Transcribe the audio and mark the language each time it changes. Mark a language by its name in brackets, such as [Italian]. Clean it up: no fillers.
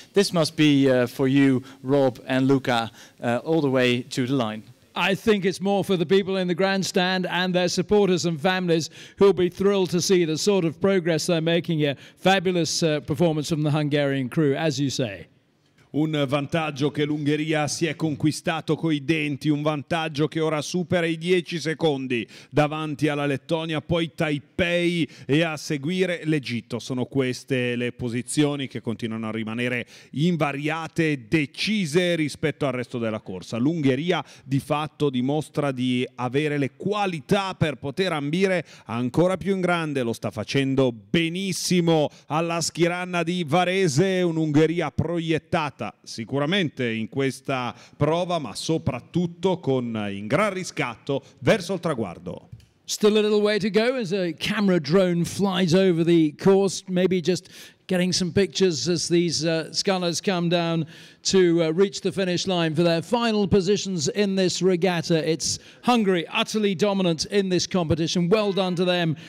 [English] This must be for you, Rob and Luca, all the way to the line. I think it's more for the people in the grandstand and their supporters and families, who'll be thrilled to see the sort of progress they're making here. Fabulous performance from the Hungarian crew, as you say. [Italian] Un vantaggio che l'Ungheria si è conquistato coi denti, un vantaggio che ora supera i 10 secondi davanti alla Lettonia, poi Taipei e a seguire l'Egitto. Sono queste le posizioni che continuano a rimanere invariate, decise rispetto al resto della corsa. L'Ungheria di fatto dimostra di avere le qualità per poter ambire ancora più in grande, lo sta facendo benissimo alla Skiranna di Varese, un'Ungheria proiettata sicuramente in questa prova, ma soprattutto con in gran riscatto verso il traguardo. [English] Still a little way to go as a camera drone flies over the course, maybe just getting some pictures as these scullers come down to reach the finish line for their final positions in this regatta. It's Hungary, utterly dominant in this competition. Well done to them.